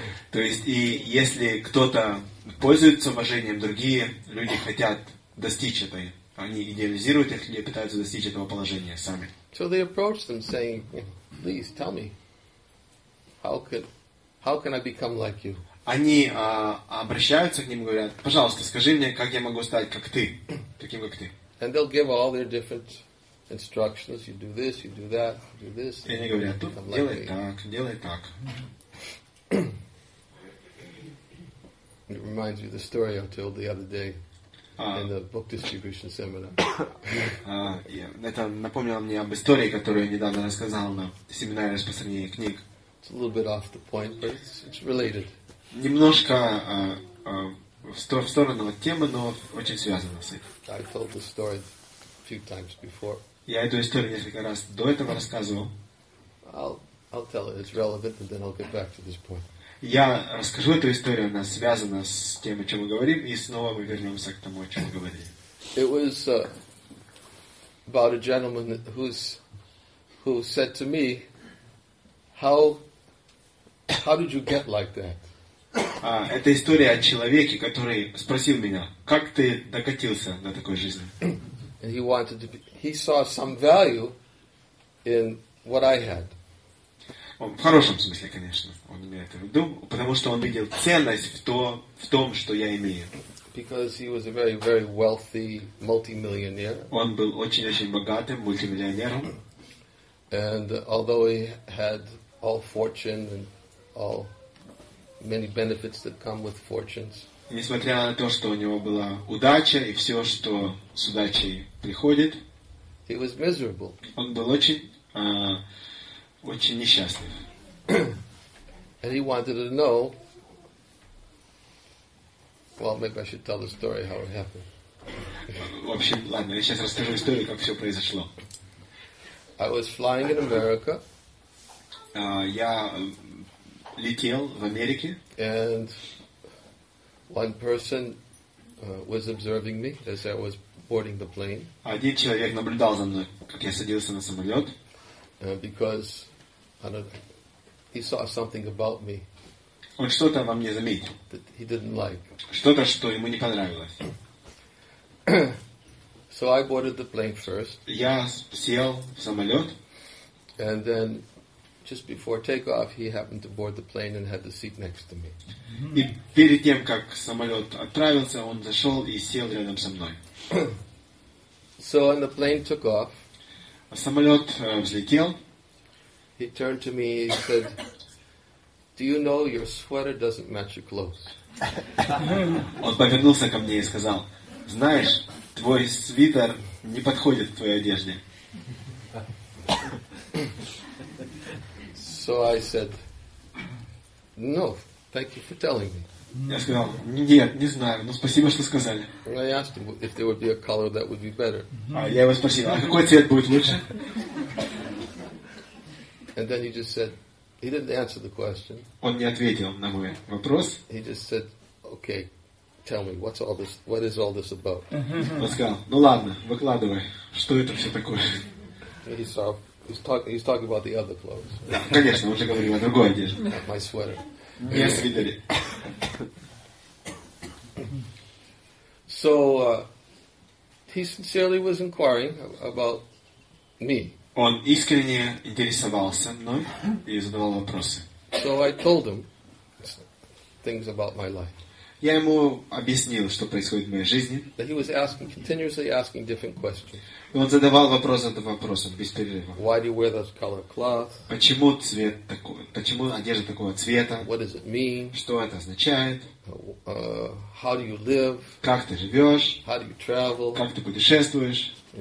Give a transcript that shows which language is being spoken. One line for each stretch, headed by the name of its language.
Russian: То есть, и если кто-то пользуется уважением, другие люди хотят достичь этой, они идеализируют их или пытаются достичь этого положения сами.
English: So they approach them saying, please tell me, how can I become like you?
Russian: Они обращаются к ним и говорят, пожалуйста, скажи мне, как я могу стать как ты, таким как ты.
English: And they'll give all their different instructions, you do this, you do that, you do this.
Russian: И они говорят, делай так.
English: It reminds me of the story I told the other day in the book distribution seminar.
Russian: Это напомнило мне об истории, которую я недавно рассказал на семинаре распространения книг.
English: It's a little bit off the point, but it's related.
Russian: Немножко в сторону от темы, но очень связано с этим.
English: I told the story a few times before.
Russian: Я эту историю несколько раз до этого рассказывал.
English: I'll tell it. It's relevant, and then I'll get back to this point.
Russian: Я расскажу эту историю, она связана с тем, о чем мы говорим, и снова мы вернемся к тому, о чем мы говорили.
English: It was about a gentleman who said to me, "How did you get like that?"
Russian: Это история о человеке, который спросил меня, как ты докатился до такой жизни.
English: And he wanted to be, he saw some value in what I had.
Russian: Он в хорошем смысле, конечно, он имеет в виду, потому что он видел ценность в том, что я имею.
English: Because he was a very, very wealthy multimillionaire.
Russian: Он был очень-очень богатым мультимиллионером.
English: And although he had all fortune and all many benefits that come with fortunes.
Russian: Несмотря на то, что у него была удача и все, что с удачей приходит.
English: He was miserable.
Russian: Он был очень несчастлив.
English: And he wanted to know. Well, maybe I should tell the story how it happened.
Russian: В общем, ладно, я сейчас расскажу историю, как все произошло.
English: I was flying in America.
Russian: Я летел в Америке.
English: And one person was observing me as I was boarding the plane.
Russian: Один человек наблюдал за мной, как я садился на самолет.
English: Because I don't. He saw something about me.
Russian: Он что-то во мне заметил.
English: That he didn't like.
Russian: Что-то, что ему не понравилось.
English: So I boarded the plane first.
Russian: Я сел в самолет.
English: And then, just before takeoff, he happened to board the plane and had the seat next to me.
Russian: И перед тем, как самолет отправился, он зашел и сел рядом со мной.
English: So when the plane took off.
Russian: Самолет взлетел.
English: He turned to me and said, "Do you know your sweater doesn't match your clothes?"
Russian: Он повернулся ко мне и сказал, "Знаешь, твой свитер не подходит к твоей одежде."
English: So I said, "No, thank you for telling me."
Russian: Я сказал, "Нет, не знаю, но спасибо, что сказали."
English: And I asked him if there would be a color that would be better.
Russian: Я его спросил, "А какой цвет будет лучше?"
English: And then he just said, he didn't answer the question.
Russian: Он не ответил на мой вопрос.
English: He just said, "Okay, tell me, what's all this? What is all this about?"
Russian: Он сказал, "Ну ладно, выкладывай, что это все такое?"
English: He's talking about the other clothes.
Russian: Да, конечно, он уже говорил о другой одежде.
English: My sweater.
Russian: Я свитер.
English: So he sincerely was inquiring about me.
Russian: Он искренне интересовался мной и задавал вопросы.
English: So I told him things about my life.
Russian: Я ему объяснил, что происходит в моей жизни.
English: That he was asking, continuously asking different questions.
Russian: Он задавал вопрос за вопросом, без перерыва.
English: Why do you wear that color cloth?
Russian: Почему одежда такого цвета?
English: What does it mean?
Russian: Что это означает?
English: How do you live?
Russian: Как ты живешь?
English: How do you travel?
Russian: Как ты путешествуешь?